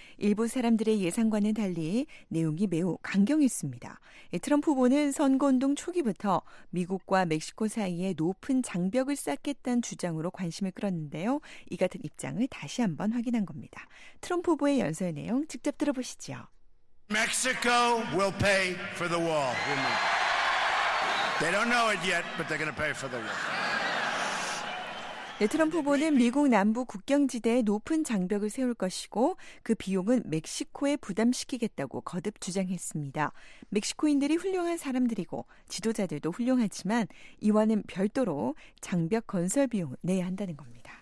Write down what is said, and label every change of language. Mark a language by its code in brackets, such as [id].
[ko] 일부 사람들의 예상과는 달리 내용이 매우 강경했습니다. 트럼프 후보는 선거운동 초기부터 미국과 멕시코 사이에 높은 장벽을 쌓겠다는 주장으로 관심을 끌었는데요. 이 같은 입장을 다시 한번 확인한 겁니다. 트럼프 후보의 연설 내용 직접 들어보시죠. [en] Mexico will pay for the wall. They don't know it yet, but they're going to pay for the wall. [ko] 네, 트럼프 후보는 미국 남부 국경지대에 높은 장벽을 세울 것이고 그 비용은 멕시코에 부담시키겠다고 거듭 주장했습니다. 멕시코인들이 훌륭한 사람들이고 지도자들도 훌륭하지만 이와는 별도로 장벽 건설 비용을 내야 한다는 겁니다.